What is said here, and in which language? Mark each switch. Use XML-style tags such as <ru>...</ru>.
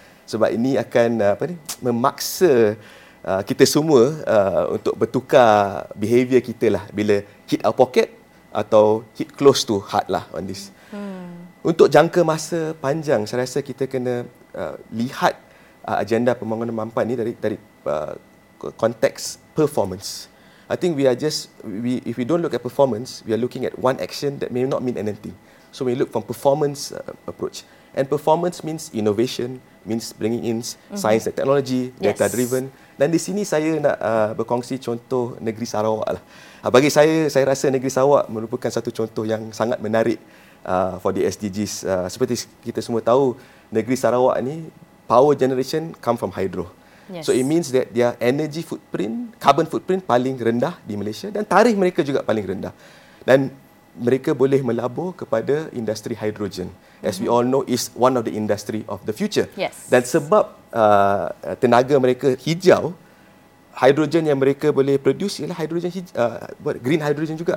<ms>Sebab ini akan memaksa kita semua untuk bertukar behavior kita lah bila</ms> <en>hit our pocket</en> <ms>atau</ms> <en>hit close to heart</en> <ms>lah</ms> <en>on this.</en> <ms>Untuk jangka masa panjang, saya rasa kita kena lihat agenda pembangunan mampan ni dari konteks performance.</ms> <en>I think if we don't look at performance, we are looking at one action that may not mean anything. So we look from performance approach. And performance means innovation, means bringing in science and technology, data driven. Yes.</en> <ms>Dan di sini saya nak berkongsi contoh negeri Sarawak lah. Bagi saya rasa negeri Sarawak merupakan satu contoh yang sangat menarik</ms> <en>for the SDGs.</en> <ms>Seperti kita semua tahu, negeri Sarawak ni</ms> <en>power generation come from hydro. Yes. So it means that their energy footprint, carbon footprint</en> <ms>paling rendah di Malaysia dan tarikh mereka juga paling rendah. Dan mereka boleh melabur kepada industri hydrogen.</ms> <en>As we all know, is one of the industry of the future. Yes.</en> <ms>Dan sebab tenaga mereka hijau, hydrogen yang mereka boleh produce ialah hydrogen green hydrogen juga.</ms>